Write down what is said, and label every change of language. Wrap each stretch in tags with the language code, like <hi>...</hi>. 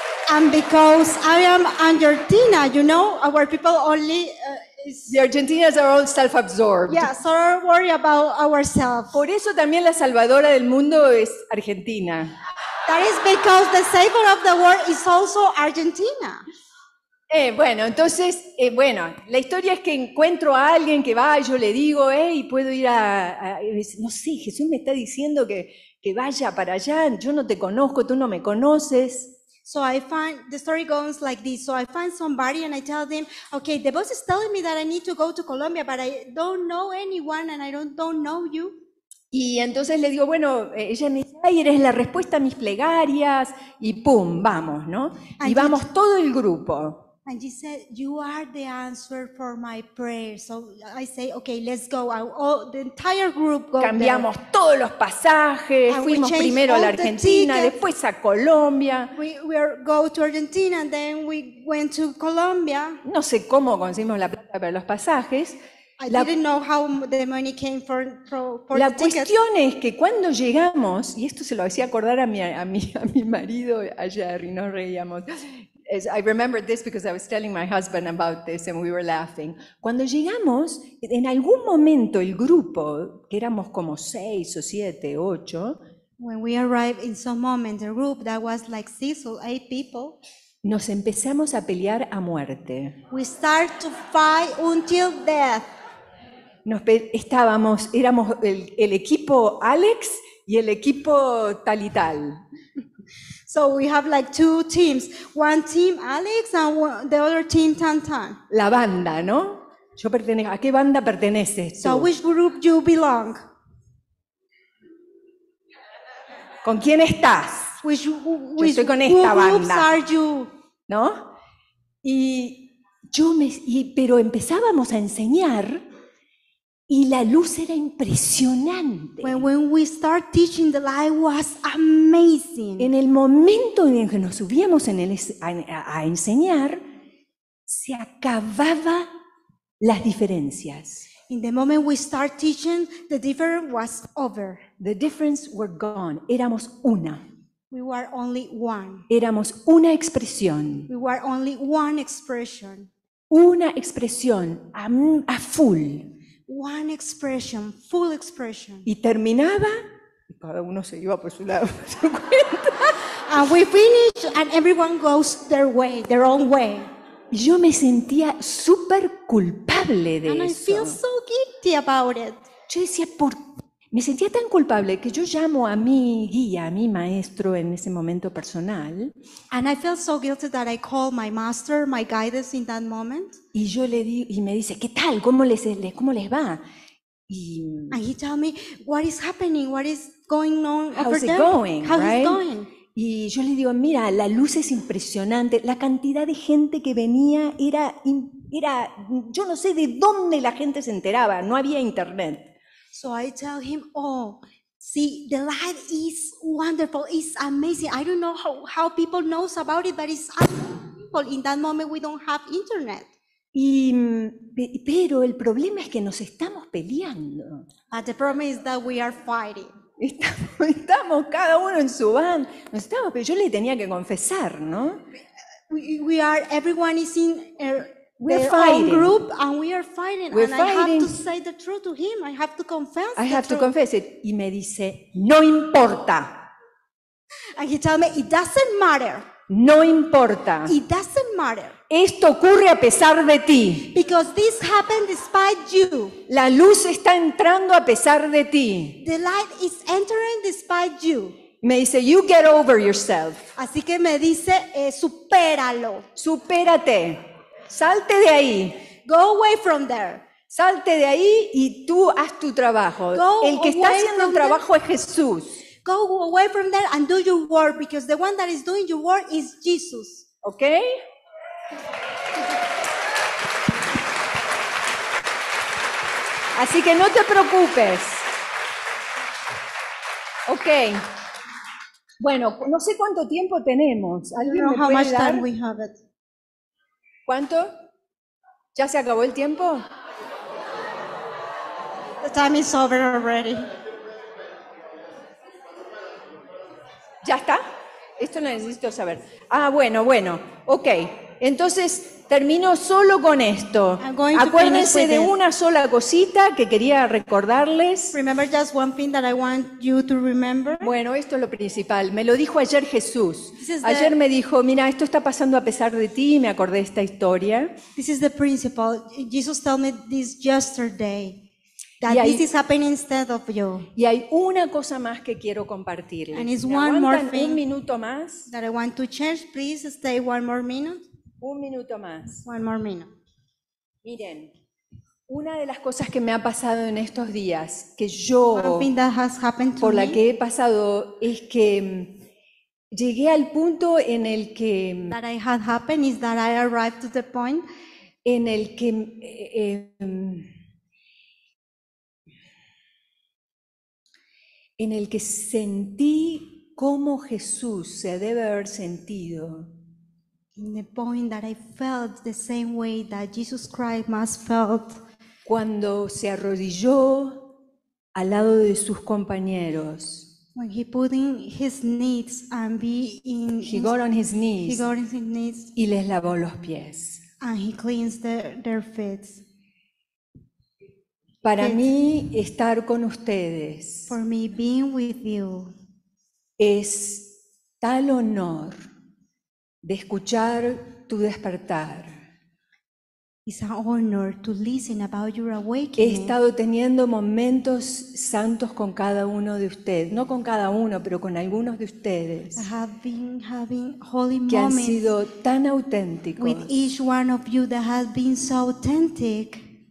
<en>And because I am Argentina, you know, our people only the Argentinians are all self-absorbed. Yeah, so worry about ourselves.</en> <es>Por eso también la salvadora del mundo es Argentina.</es> <en>That is because the savior of the world is also Argentina.</en> <es>Bueno, la historia es que encuentro a alguien que va, yo le digo, hey, puedo ir no sé, Jesús me está diciendo que vaya para allá, yo no te conozco, tú no me conoces.</es> <en>So I find, the story goes like this, so I find somebody and I tell them, okay, the boss is telling me that I need to go to Colombia, but I don't know anyone and I don't know you.</en> <es>Y entonces le digo, bueno, ella me dice, ay, eres la respuesta a mis plegarias, y pum, vamos, ¿no?</es> <en>And</en> <es>y vamos todo el grupo.</es> <en>And she said, you are the answer for my prayer. So I say, okay, let's go. The entire group go.</en> <es>Cambiamos</es> <en>there.</en> <es>Todos los pasajes, and fuimos primero a la Argentina, después a Colombia.</es> <en>We go to Argentina and then we went to Colombia.</en> <es>No sé cómo conseguimos la plata para los pasajes.</es> <en>Didn't know how the money came for</en> <es>la</es> <en>the</en> <es>cuestión es que cuando llegamos, y esto se lo hacía acordar a mi marido ayer y nos reíamos.</es> <en>I remember this because I was telling my husband about this and we were laughing.</en> <es>Cuando llegamos, en algún momento el grupo, que éramos como 6 o 7, 8.</es> <en>When we arrived in some moment, the group that was like 6 or 8 people.</en> <es>Nos empezamos a pelear a muerte.</es> <en>We start to fight until death.</en> <es>Éramos el equipo Alex y el equipo tal y tal.</es> <en>So we have like 2 teams, one team Alex and the other team Tantan.</en> <es>La banda, ¿no? Yo pertenezco. ¿A qué banda perteneces tú?</es> <en>So which group you belong?</en> <es>¿Con quién estás?</es> <en>Which</en> <es>yo estoy con esta banda.</es> <en>Who are you?</en> <es>¿No? Pero empezábamos a enseñar. Y la luz era impresionante.</es> <en>When we start teaching, the light was amazing.</en> <es>En el momento en que nos subíamos a enseñar, se acababa las diferencias.</es> <en>In the moment we start teaching, the difference was over. The difference were gone.</en> <es>Éramos una.</es> <en>We were only one.</en> <es>Éramos una expresión.</es> <en>We were only one expression.</en> <es>Una expresión a full.</es> <en>One expression, full expression.</en> <es>Y terminaba, y cada uno se iba por su lado.</es> <en>And we finish, and everyone goes their way, their own way.</en> <es>Y yo me sentía súper culpable de eso.</es> <en>And I feel so guilty about it.</en> <es>Yo decía, me sentía tan culpable que yo llamo a mi guía, a mi maestro en ese momento personal.</es> <en>And I felt so guilty that I called my master, my guidance in that moment.</en> <es>Y yo le di y me dice, ¿qué tal? ¿Cómo les va? Y</es> <en>And he told me, what is happening? What is going on how's over it there? Going, how right? is going?</en> <es>Y yo le digo, mira, la luz es impresionante, la cantidad de gente que venía era yo no sé de dónde la gente se enteraba, no había internet.</es> <en>So I tell him, oh, see, the light is wonderful, it's amazing. I don't know how people knows about it, but it's people in that moment we don't have internet.</en> <es>Pero el problema es que nos estamos peleando.</es> <en>But the problem is that we are fighting.</en> <es>Estamos cada uno en su van. Nos estamos, pero yo le tenía que confesar, ¿no?</es> <en>We are everyone is in We're fighting. I have to say the truth to him. I have to confess.</en> <es>Y me dice, no importa.</es> <en>And he told me, it doesn't matter.</en> <es>No importa.</es> <en>It doesn't matter.</en> <es>Esto ocurre a pesar de ti.</es> <en>Because this happened despite you.</en> <es>La luz está entrando a pesar de ti.</es> <en>The light is entering despite you.</en> <es>Me dice,</es> <en>you get over yourself.</en> <es>Así que me dice, supéralo. Supérate. Salte de ahí.</es> <en>Go away from there.</en> <es>Salte de ahí y tú haz tu trabajo.</es> <en>Go</en> <es>el que está haciendo el trabajo es Jesús.</es> <en>Go away from there and do your work because the one that is doing your work is Jesus.</en> <es>¿Okay? Así que no te preocupes. Okay. Bueno, no sé cuánto tiempo tenemos. ¿Alguien me puede dar?</es> <en>We have it.</en> <es>¿Cuánto? ¿Ya se acabó el tiempo?</es> <en>The time is over already.</en> <es>¿Ya está? Esto lo necesito saber. Ah, bueno. Ok. Entonces, termino solo con esto. Acuérdense de una sola cosita que quería recordarles.</es> <en>Remember just one thing that I want you to remember.</en> <es>Bueno, esto es lo principal. Me lo dijo ayer Jesús. Ayer me dijo, mira, esto está pasando a pesar de ti, y me acordé de esta historia.</es> <en>This is the principle. Jesus told me this yesterday. That this is happening instead of you.</en> <es>Y hay una cosa más que quiero compartirles.</es> <en>And it's one more thing.</en> <es>Un minuto más.</es> <en>That I want to change. Please stay one more minute.</en> <es>Un minuto más.</es> <en>One more minute.</en> <es>Miren, una de las cosas que me ha pasado en estos días, que yo, por la que he pasado, es que llegué al punto en el que...</es> <en>That I had happened is that I arrived to the point</en> <es>en el que... en el que sentí cómo Jesús se debe haber sentido.</es> <en>In the point that I felt the same way that Jesus Christ must felt</en> <es>cuando se arrodilló al lado de sus compañeros.</es> <en>When he put in his knees and be in he got on his knees. He got on his knees</en> <es>y les lavó los pies.</es> <en>And he cleansed their feet.</en> <es>Para mí estar con ustedes.</es> <en>For me being with you</en> <es>es tal honor. De escuchar tu despertar.</es> <en>It's an honor to listen about your awakening.</en> <es>He estado teniendo momentos santos con cada uno de ustedes, no con cada uno, pero con algunos de ustedes.</es> <en>I have been having holy moments.</en> <es>Que han sido tan auténticos.</es> <en>With each one of you that has been so authentic.</en>